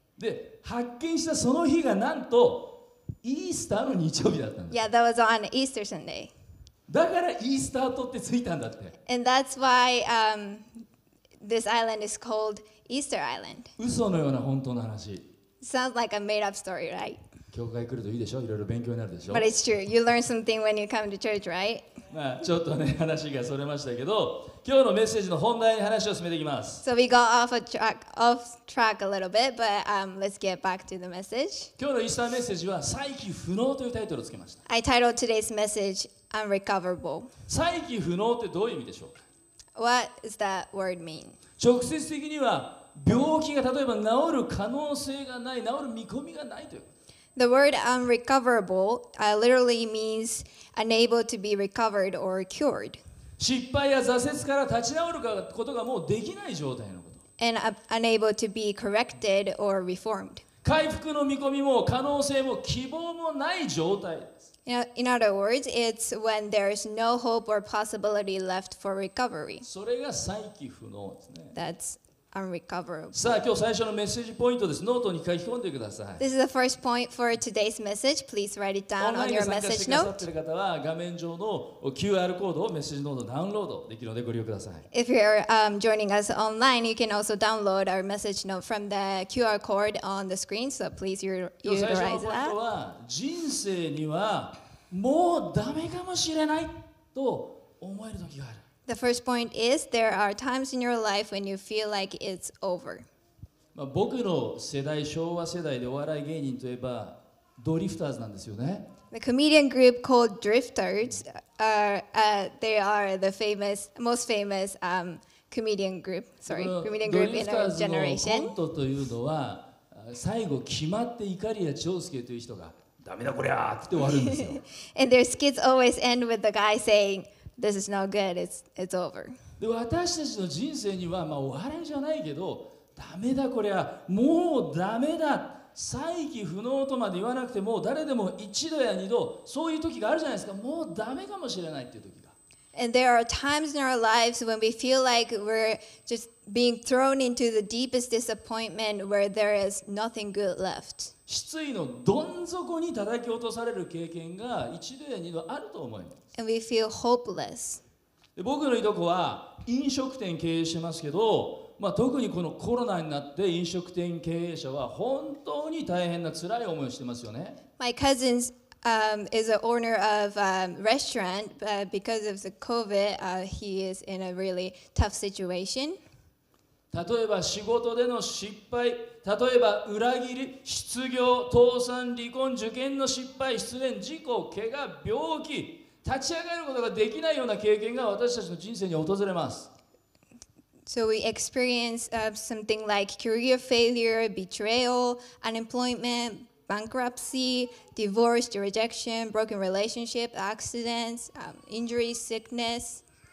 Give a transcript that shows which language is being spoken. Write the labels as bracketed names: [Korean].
[Japanese] で、発見したその日がなんとイースターの日曜日だったんです。 [English] Yeah, that was on Easter Sunday. [Japanese] だからイースター島ってついたんだって。 [English] And that's why this island is called Easter Island. [Japanese] 嘘のような本当の話。 [English] Sounds like a made-up story, right? [Japanese] 教会来るといいでしょ、いろいろ勉強になるでしょ。 [English] But it's true. You learn something when you come to church, right? [Japanese] まあちょっとね話がそれましたけど、今日のメッセージの本題に話を進めていきます。 [English] So we got off track a little bit, but let's get back to the message. [Japanese] 今日のイースターメッセージは再起不能というタイトルをつけました。 [English] I titled today's message Unrecoverable. [Japanese] 再起不能ってどういう意味でしょうか。 [English] What does that word mean? [Japanese] 直接的には病気が例えば治る可能性がない、治る見込みがないという。 [English] The word unrecoverable literally means unable to be recovered or cured. [Japanese] 失敗や挫折から立ち直ることがもうできない状態のこと。 [English] And unable to be corrected or reformed. [Japanese] 回復の見込みも可能性も希望もない状態です。 [English] In other words, it's when there's no hope or possibility left for recovery. [Japanese] それが再起不能ですね。 [English] That's unrecoverable. [Japanese] さあ今日最初のメッセージポイントです。ノートに書き込んでください。 [English] This is the first point for today's message. Please write it down on your message note. [Japanese] オンラインで参加してくださっている方は画面上の QR コードをメッセージノートダウンロードできるのでご利用ください。 [English] If you're joining us online, you can also download our message note from the QR code on the screen. So please utilize that. [Japanese] 今日最初のポイントは人生にはもうダメかもしれないと思える時がある。 [English] The first point is there are times in your life when you feel like it's over. [Japanese] 僕の世代、昭和世代でお笑い芸人といえばドリフターズなんですよね。 [English] The comedian group called Drifters are the famous, most famous comedian group. Sorry, comedian group in our generation. [Japanese] ドリフターズのコントというのは最後決まっていかりや長介という人がダメだこりゃって終わるんですよ。 [English] And their skits always end with the guy saying,This is not good. It's over. [Japanese] で私たちの人生には、まあ、終わりじゃないけど、ダメだこれは、もうダメだ、再起不能とまで言わなくても、誰でも一度や二度、そういう時があるじゃないですか、もうダメかもしれないっていう時が。 [English] And there are times in our lives when we feel like we're just being thrown into the deepest disappointment where there is nothing good left. [Japanese] 失意のどん底に叩き落とされる経験が一度や二度あると思います。 [English] And we feel hopeless. [Japanese] 僕のいとこは飲食店経営してますけど、まあ、特にこのコロナになって飲食店経営者は本当に大変な辛い思いをしてますよね。 [English] My cousin is an owner of a restaurant, but because of the COVID, he is in a really tough situation. [Japanese] 例えば仕事での失敗、例えば裏切り、失業、倒産、離婚、受験の失敗、失恋、事故、怪我、病気、立ち上がることができないような経験が私たちの人生に訪れます。 [English] So we experience something like career failure, betrayal, unemployment, bankruptcy, divorce, rejection, broken relationship, accidents, injuries, sickness.